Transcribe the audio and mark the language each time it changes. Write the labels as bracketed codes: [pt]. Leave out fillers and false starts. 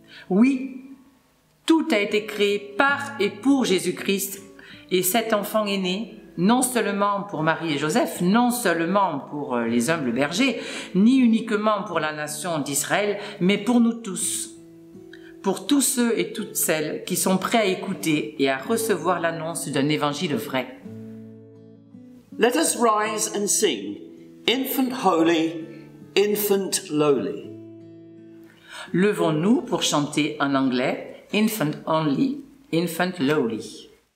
[fr] Oui, tout a été créé par et pour Jésus-Christ, et cet enfant est né, non seulement pour Marie et Joseph, non seulement pour les humbles bergers, ni uniquement pour la nation d'Israël, mais pour nous tous. Pour tous ceux et toutes celles qui sont prêts à écouter et à recevoir l'annonce d'un évangile vrai. [en] Let us rise and sing, Infant Holy, Infant Lowly. [fr] Levons-nous pour chanter en anglais, Infant Only, Infant Lowly.